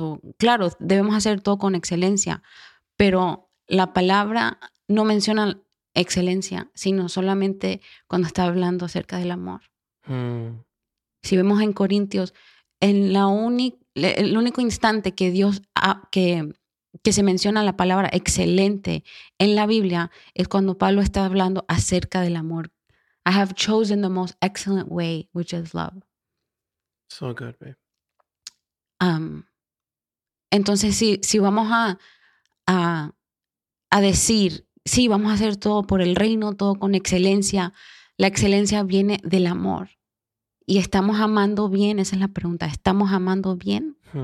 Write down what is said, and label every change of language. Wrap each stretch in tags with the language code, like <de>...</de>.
<es>O, claro, debemos hacer todo con excelencia, pero la palabra no menciona excelencia, sino solamente cuando está hablando acerca del amor. Si vemos en Corintios, en el único instante que Dios que se menciona la palabra excelente en la Biblia es cuando Pablo está hablando acerca del amor.</es> <en>I have chosen the most excellent way, which is love. So good, babe.</en> <es>Entonces, si vamos a decir, sí, vamos a hacer todo por el reino, todo con excelencia, la excelencia viene del amor. ¿Y estamos amando bien? Esa es la pregunta. ¿Estamos amando bien?</es>